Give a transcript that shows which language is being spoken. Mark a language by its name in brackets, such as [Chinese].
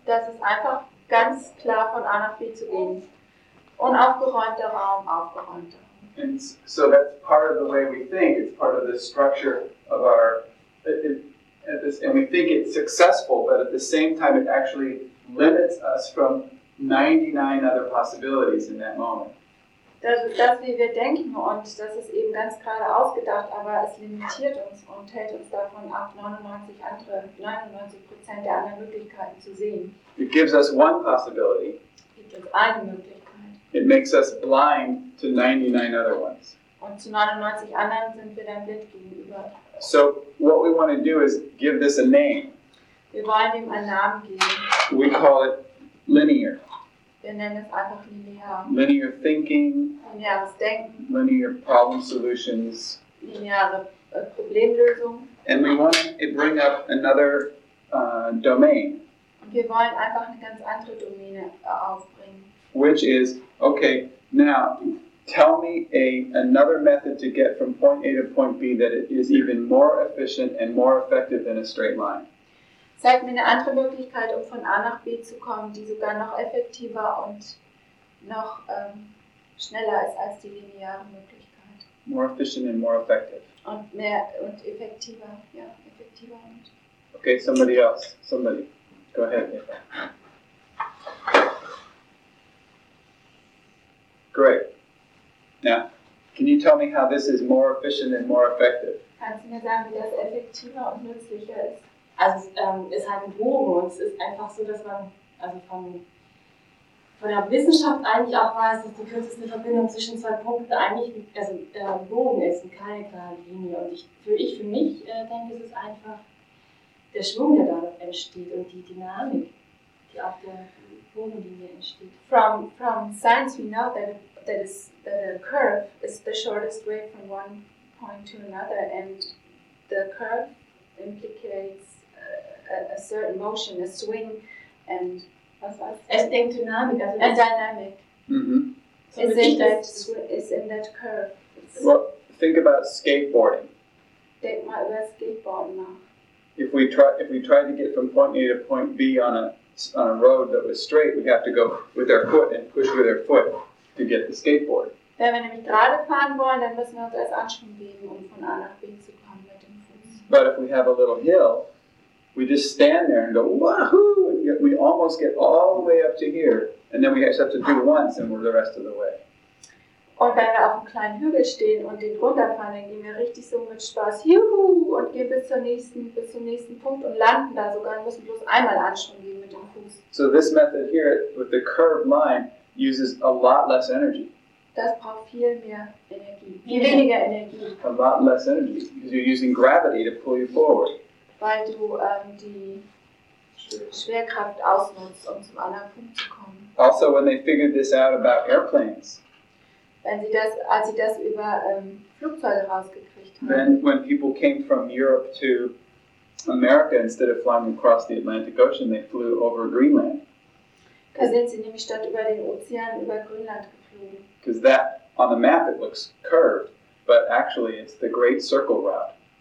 [German] Das ist einfach ganz klar von A nach B zu gehen. Unaufgeräumter Raum, aufgeräumter Raum. [English] And so that's part of the way we think. It's part of the structure of our... And we think it's successful, but at the same time it actually limits us from 99 other possibilities in that moment. [German] Das, wie wir denken, und das ist eben ganz gerade ausgedacht, aber es limitiert uns und hält uns davon ab, 99% der anderen Möglichkeiten zu sehen. [English] It gives us one possibility. [German] Gibt uns eine Möglichkeit. [English] It makes us blind to 99 other ones. [German] Und zu 99 anderen sind wir dann blind gegenüber. [English] So, what we want to do is give this a name. [German] Wir wollen dem einen Namen geben. [English] We call it linear. [German] Wir nennen es einfach linear. [English] Linear thinking. [German] Lineares Denken. [English] Linear problem solutions. [German] Lineare Problemlösung. [English] And we want to bring up another domain. [German] Und wir wollen einfach eine ganz andere Domäne aufbringen. [English] Which is, okay, now, tell me another method to get from point A to point B that it is even more efficient and more effective than a straight line. [German] Zeig mir eine andere Möglichkeit, um von A nach B zu kommen, die sogar noch effektiver und noch schneller ist als die lineare Möglichkeit. [English] More efficient and more effective. [German] Und mehr und effektiver, ja, effektiver und. [English] Okay, somebody else. Somebody. Go ahead, Eva. Great. Now, can you tell me how this is more efficient and more effective? Kannst du mir sagen, wie das effektiver und nützlicher ist? [German] Also es ist halt ein Bogen und es ist einfach so, dass man also von der Wissenschaft eigentlich auch weiß, dass die kürzeste Verbindung zwischen zwei Punkten eigentlich also der Bogen ist und keine klare Linie. Und ich für mich denke, es ist einfach der Schwung, der da entsteht und die Dynamik, die auf der Bogenlinie entsteht. [English] From science we know that a curve is the shortest way from one point to another, and the curve implicates a certain motion, a swing, and was [German] es denkt dynamik, also [English] a dynamic. Mm-hmm. So is in that curve. Well, think about skateboarding. [German] Denk mal über Skateboarden nach. [English] If we tried to get from point A to point B on a road that was straight, we'd have to go with our foot and push with our foot to get the skateboard. [German] Wenn wir nämlich gerade fahren wollen, dann müssen wir uns erst Anschwung geben, um von A nach B zu kommen mit dem Fuß. [English] But if we have a little hill, we just stand there and go wahoo, and we almost get all the way up to here, and then we just have to do once, and we're the rest of the way. [German] Und wenn wir auf einem kleinen Hügel stehen und den runterfahren, dann gehen wir richtig so mit Spaß, juhu, und gehen bis zum nächsten Punkt und landen da sogar und müssen bloß einmal Anschwung geben mit dem Fuß. [English] So this method here with the curved mind uses a lot less energy. [German] Das braucht viel mehr Energie, viel weniger Energie. [English] A lot less energy, because you're using gravity to pull you forward. [German] Weil du die Schwerkraft ausnutzt, um zum anderen Punkt zu kommen. [English] Also when they figured this out about airplanes, [German] als sie das über Flugzeuge rausgekriegt haben. [English] Then when people came from Europe to America, instead of flying across the Atlantic Ocean, they flew over Greenland. [German] Da sind sie nämlich statt über den Ozean über Grönland geflogen. [English] Because that, on the map, it looks curved, but actually it's the Great Circle Route.